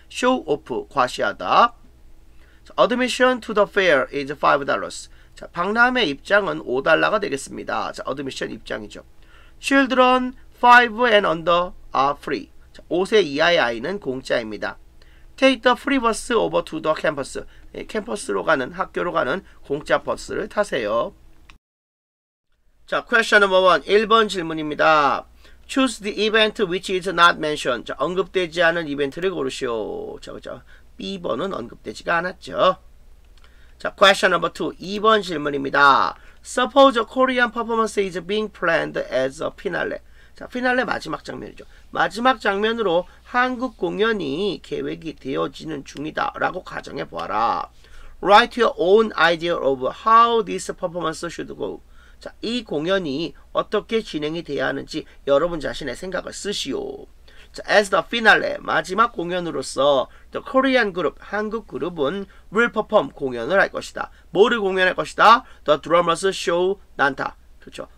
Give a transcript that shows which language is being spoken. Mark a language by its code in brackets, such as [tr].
[en] Show off, 과시하다. Admission to the fair is $5. [ko] 자, 박람회 입장은 $5가 되겠습니다. [en] 자, admission 입장이죠. Children 5 and under are free. [ko] 자, 5세 이하의 아이는 공짜입니다. [en] Take the free bus over to the campus. [ko] 예, 캠퍼스로 가는, 학교로 가는 공짜 버스를 타세요. [en] 자, question number 1. [ko] 1번 질문입니다. [en] Choose the event which is not mentioned. [ko] 자, 언급되지 않은 이벤트를 고르시오. 자, 그죠. B번은 언급되지가 않았죠. [en] 자, question number 2. [ko] 2번 질문입니다. [en] Suppose a Korean performance is being planned as a finale. [ko] 자, 피날레 마지막 장면이죠. 마지막 장면으로 한국 공연이 계획이 되어지는 중이다 라고 가정해 보아라. [en] Write your own idea of how this performance should go. [ko] 자, 이 공연이 어떻게 진행이 돼야 하는지 여러분 자신의 생각을 쓰시오. [en] 자, as the finale, [ko] 마지막 공연으로서 [en] the Korean group, [ko] 한국 그룹은 [en] will perform, [ko] 공연을 할 것이다. 뭐를 공연할 것이다? [en] The drummer's show, [ko] 난타. 그렇죠.